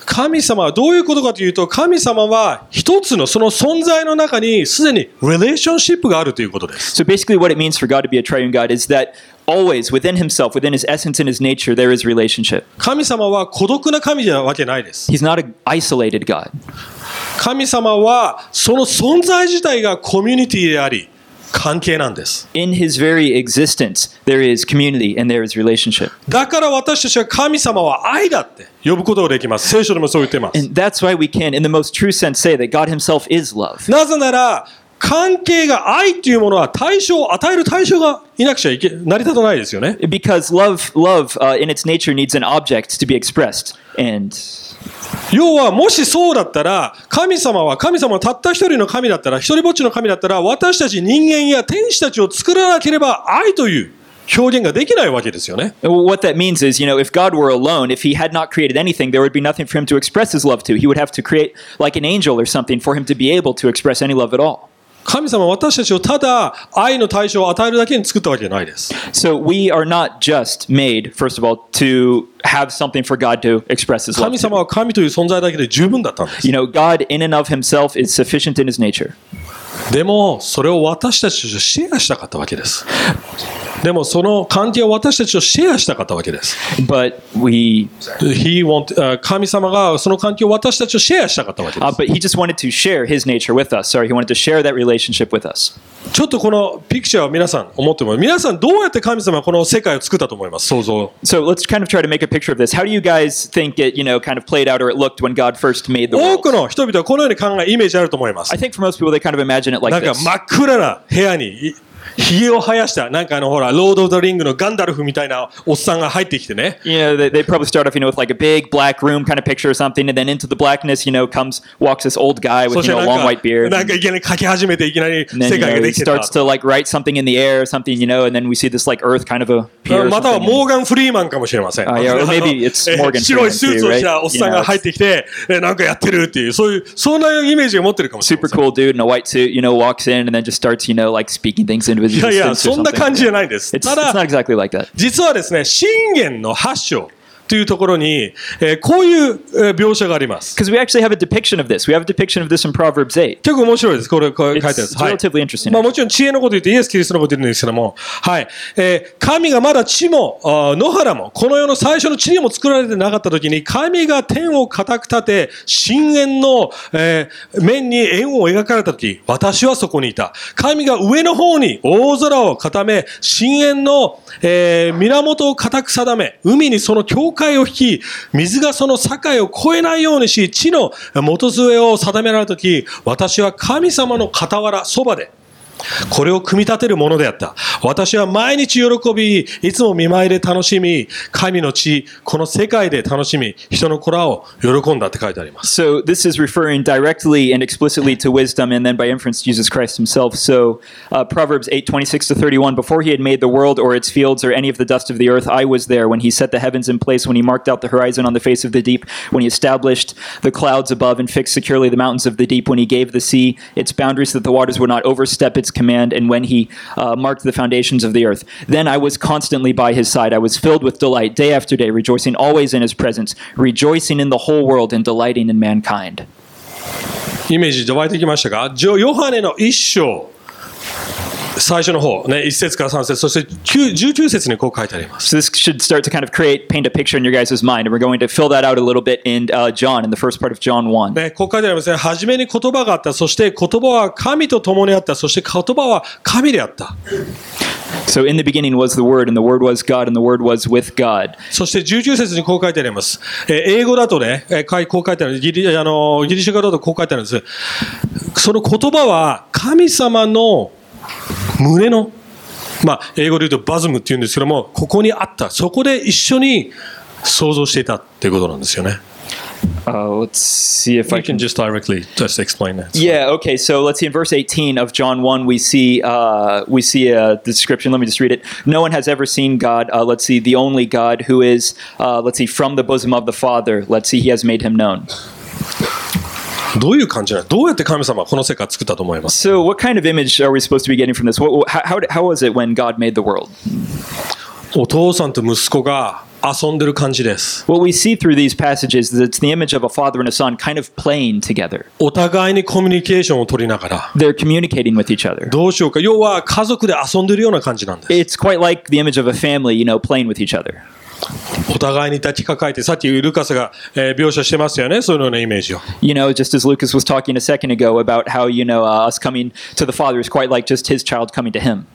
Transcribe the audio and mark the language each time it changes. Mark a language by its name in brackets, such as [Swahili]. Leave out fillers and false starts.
[Japanese] 神様はどういうことかというと、神様は一つのその存在の中にすでにリレーションシップがあるということです。 [English] So basically what it means for God to be a triune God is thatAlways within himself, within his essence and his nature, there is relationship. [Japanese] 神様は孤独な神じゃわけないです。 [English] He's not an isolated God. [Japanese] 神様はその存在自体がコミュニティであり、関係なんです。 [English] In his very existence, there is community and there is relationship. [Japanese] だから私たちは神様は愛だって呼ぶことができます。聖書でもそう言ってます。 [English] And that's why we can, in the most true sense, say that God himself is love. [Japanese] なぜなら、関係が愛というものは対象を与える対象がいなくちゃいけ成り立たないですよね。 [English] Because love, in its nature needs an object to be expressed. And [Japanese] 要はもしそうだったら、神様はたった一人の神だったら、一人ぼっちの神だったら、私たち人間や天使たちを作らなければ愛という表現ができないわけですよね。 [English] What that means is, you know, if God were alone, if he had not created anything, there would be nothing for him to express his love to. He would have to create like an angel or something for him to be able to express any love at all. [Japanese] 神様は私たちをただ愛の対象を与えるだけに作ったわけじゃないです。 [English] So we are not just made, first of all, to have something for God to express his love. [Japanese] 神様は神という存在だけで十分だったんです。 [English] You know, God in and of himself is sufficient in his nature. [Japanese] でもそれを私たちとシェアしたかったわけです。でもその関係を私たちとシェアしたかったわけです。 [English] But we, he want, [Japanese] 神様がその関係を私たちとシェアしたかったわけです。 [English] But he just wanted to share his nature with us. Sorry, he wanted to share that relationship with us. [Japanese] ちょっとこのピクチャーを皆さん思ってもらう。皆さんどうやって神様はこの世界を作ったと思います？想像。 [English] So let's kind of try to make a picture of this. How do you guys think it, you know, kind of played out or it looked when God first made the world? [Japanese] 多くの人々はこのように考え、イメージあると思います。 [English] I think for most people they kind of imagine it like this. [Japanese] なんか真っ暗な部屋に。髭を生やしたなんかほらロード・オブ・ザ・リングのガンダルフみたいなおっさんが入ってきてね。 [English] You know, they probably start off, you know, with like a big black room kind of picture or something, and then into the blackness, you know, comes walks this old guy with, you know, a long white beard. [Japanese] なんかいきなり書き始めていきなり世界ができた。 [English] And then, you know, he starts to like write something in the air or something, you know, and then we see this like Earth kind of appear. [Japanese] またはモーガン・フリーマンかもしれません。 [English] Yeah, or maybe it's Morgan Freeman. [Japanese] 白いスーツを着たおっさんが入ってきてなんかやってるっていうそんなイメージを持ってるかもしれません。 [English] Super cool dude in a white suit, you know, walks in and then just starts, you know, like speaking things into。 [Japanese] いやいや、そんな感じじゃないです。ただ、 [English] it's not exactly like that. [Japanese] 実はですね、箴言の8章というところに、こういう描写があります。 [English] Because we actually have a depiction of this. We have a depiction of this in Proverbs 8. [Japanese] 結構面白いです。これ書いてあります。 [English] It's relatively interesting. [Japanese] はい。まあ、もちろん知恵のこと言って、イエス・キリストのこと言うんですけども、はい。神がまだ地も、野原も、この世の最初の地にも作られてなかったときに、神が天を固く立て、箴言の、面に円を描かれたとき、私はそこにいた。神が上の方に大空を固め、箴言の、源を固く定め、海にその境界を引き、水がその境を越えないようにし、地の元杖を定められたとき、私は神様の傍ら、そばで、これを組み立てるものであった。私は毎日喜び、いつも見舞いで楽しみ、神の地、この世界で楽しみ、人の子らを喜んだって書いてあります。 [English] So this is referring directly and explicitly to wisdom and then by inference Jesus Christ himself. So Proverbs 8:26-31, before he had made the world or its fields or any of the dust of the earth, I was there when he set the heavens in place, when he marked out the horizon on the face of the deep, when he established the clouds above and fixed securely the mountains of the deep, when he gave the sea its boundaries that the waters would not overstep its command, and when he marked the foundations of the earth. Then I was constantly by his side. I was filled with delight day after day, rejoicing always in his presence, rejoicing in the whole world and delighting in mankind. [Japanese] イメージ湧いてきましたか？ヨハネの一章、最初の方、ね、一節から三節、そして19節にこう書いてあります。 [English] So this should start to kind of create, paint a picture in your guys' mind, and we're going to fill that out a little bit in John, in the first part of John 1. [Japanese] ね、ここ書いてありますね。初めに言葉があった、そして言葉は神と共にあった、そして言葉は神であった。 [English] So in the beginning was the Word, and the Word was God, and the Word was with God. [Japanese] そして19節にこう書いてあります。英語だとね、こう書いてあります。ギリシャ語だとこう書いてあるんです。その言葉は神様の胸の、まあ、英語で言うとバズムっていうんですけども、ここにあった、そこで一緒に想像していたっていうことなんですよね。 [English] Let's see if I can just directly just explain that. Yeah, okay, so let's see, in verse 18 of John 1, we see a description, let me just read it. No one has ever seen God, let's see, the only God who is, let's see, from the bosom of the Father, let's see, he has made him known. [Japanese] どういう感じなの？どうやって神様はこの世界を作ったと思いますか？ [English] So what kind of image are we supposed to be getting from this? How was it when God made the world? [Japanese] お父さんと息子が遊んでる感じです。 [English] What we see through these passages is it's the image of a father and a son kind of playing together. [Japanese] お互いにコミュニケーションを取りながら。 [English] They're communicating with each other. [Japanese] どうしようか。要は家族で遊んでるような感じなんです。 [English] It's quite like the image of a family, you know, playing with each other. [Japanese] お互いに立ちかかえて、さっきルカスが、描写してますよね、そのようなイメージを。 [English] You know, just as Lucas was talking a second ago about how, you know, us coming to the Father is quite like just his child coming to him.、